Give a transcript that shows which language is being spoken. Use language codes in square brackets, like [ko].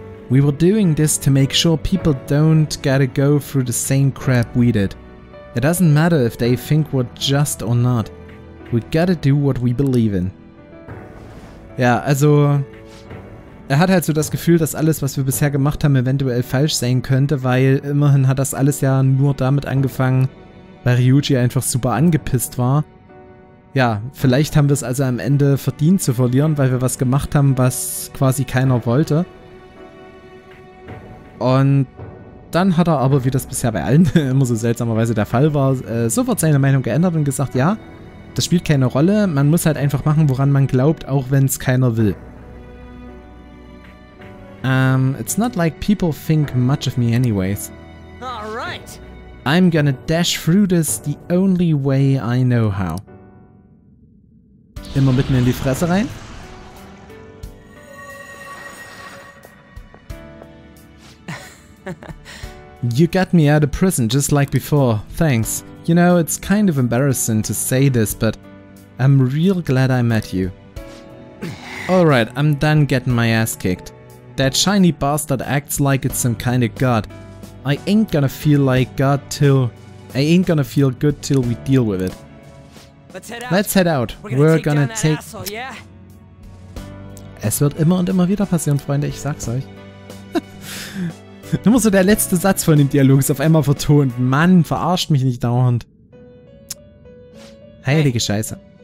[en] We were doing this to make sure people don't gotta go through the same crap we did. It doesn't matter if they think we're just or not. We gotta do what we believe in. [de] Ja, also er hat halt so das Gefühl, dass alles, was wir bisher gemacht haben, eventuell falsch sein könnte, weil immerhin hat das alles ja nur damit angefangen, weil Ryuji einfach super angepisst war. Ja, vielleicht haben wir es also am Ende verdient zu verlieren, weil wir was gemacht haben, was quasi keiner wollte. Und dann hat er aber, wie das bisher bei allen immer so seltsamerweise der Fall war, sofort seine Meinung geändert und gesagt, ja, das spielt keine Rolle, man muss halt einfach machen, woran man glaubt, auch wenn es keiner will. [en] It's not like people think much of me anyways. All right. I'm gonna dash through this the only way I know how. [de] Immer mitten in die Fresse rein. [en] You got me out of prison just like before, thanks. You know, it's kind of embarrassing to say this, but I'm real glad I met you. Alright, I'm done getting my ass kicked. That shiny bastard acts like it's some kind of god. I ain't gonna feel like god till... I ain't gonna feel good till we deal with it. Let's head out. We're gonna take... Asshole, yeah? [de] Es wird immer und immer wieder passieren, Freunde, ich sag's euch. Nur so der letzte Satz von dem Dialog ist auf einmal vertont. Mann, verarscht mich nicht dauernd. Heilige Scheiße.